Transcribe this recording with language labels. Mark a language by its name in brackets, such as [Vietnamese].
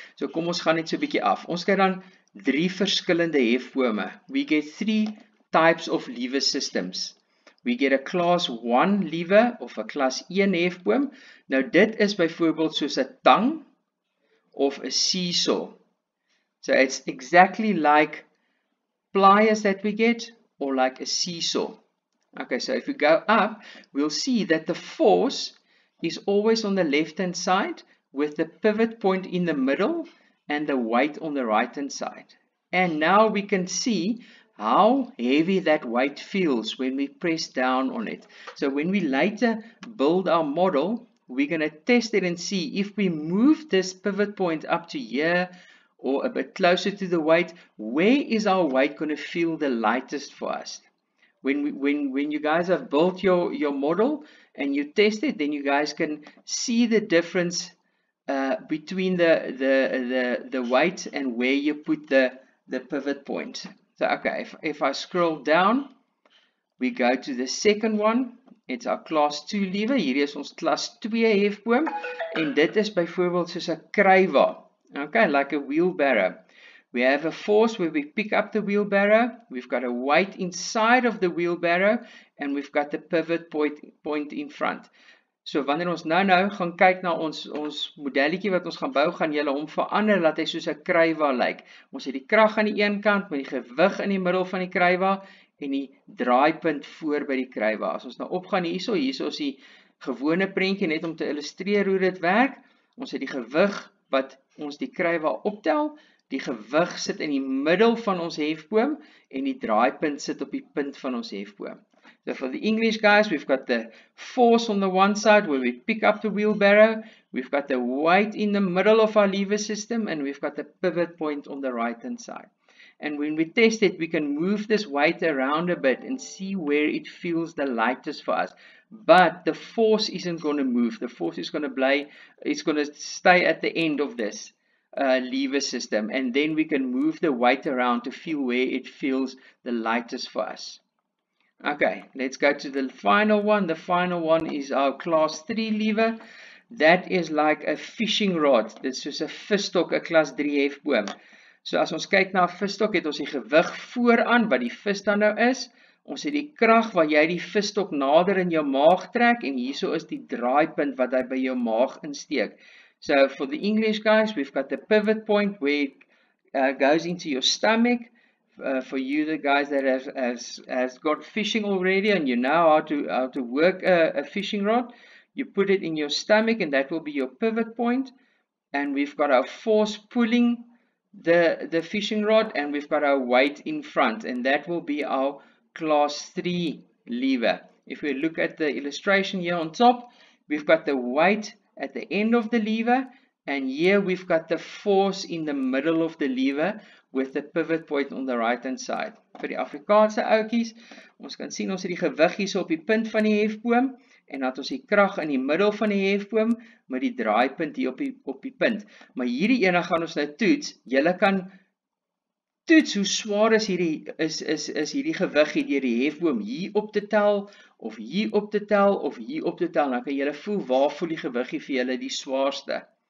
[Afrikaans] So kom ons gaan net so 'n bietjie af. Ons kyk dan drie verskillende hefbome. [English] We get three types of lever systems. We get a class 1 lever of a class 1 hefboom. [Afrikaans] Nou dit is byvoorbeeld soos 'n tang of 'n seesaw. [English] So it's exactly like pliers that we get or like a seesaw. Okay, so if we go up, we'll see that the force is always on the left-hand side with the pivot point in the middle and the weight on the right hand side. And now we can see how heavy that weight feels when we press down on it. So when we later build our model, we're going to test it and see if we move this pivot point up to here or a bit closer to the weight, where is our weight going to feel the lightest for us? When you guys have built your model and you test it, then you guys can see the difference between the weight and where you put the pivot point. So okay, if I scroll down, we go to the second one. It's our class 2 lever. [Afrikaans] Hier is ons class 2 hefboom en dit is byvoorbeeld soos 'n krywer. [English] Okay, like a wheelbarrow. We have a force where we pick up the wheelbarrow. We've got a weight inside of the wheelbarrow and we've got the pivot point in front. [Afrikaans] So wanneer ons nou gaan kyk na ons modelletjie wat ons gaan bou, gaan julle hom verander dat hy soos 'n krywa lyk. Ons het die krag aan die een kant met die gewig in die middel van die krywa en die draaipunt voor by die krywa. As ons nou opgaan hierso is die gewone prentjie net om te illustreer hoe dit werk. Ons het die gewig wat ons die krywa optel. Die gewig sit in die middel van ons hefboom en die draaipunt sit op die punt van ons hefboom. [English] So for the English guys, we've got the force on the one side where we pick up the wheelbarrow, we've got the weight in the middle of our lever system, and we've got the pivot point on the right hand side. And when we test it, we can move this weight around a bit and see where it feels the lightest for us. But the force isn't going to move. The force is going to stay at the end of this. lever system, and then we can move the weight around to feel where it feels the lightest for us. Okay, let's go to the final one. The final one is our class 3 lever. That is like a fishing rod. [Afrikaans] Dit is [English] a visstok, a class 3 hefboom. [Afrikaans] So as ons kyk na visstok, het ons die gewig vooraan wat die vis dan nou is. Ons het die krag waar jy die visstok nader in jou maag trek, en hierso is die draaipunt wat hy by jou maag insteek. [English] So for the English guys, we've got the pivot point where it goes into your stomach. For you, the guys that has got fishing already and you know how to work a fishing rod, you put it in your stomach and that will be your pivot point. And we've got our force pulling the fishing rod, and we've got our weight in front, and that will be our class 3 lever. If we look at the illustration here on top, we've got the weight at the end of the lever, and here we've got the force in the middle of the lever with the pivot point on the right hand side. [Afrikaans] Vir die Afrikaanse oukies, ons kan sien ons het die gewig hier so op die punt van die hefboom, en dat ons die krag in die middel van die hefboom met die draaipunt hier op die punt. Maar hierdie ene gaan ons nou toets. Julle kan toets hoe swaar is hierdie gewig hier deur die hefboom hier op te tel, of hier op te tel, of hier op te tel. Dan kan julle voel waar voel die gewig hier vir julle die swaarste.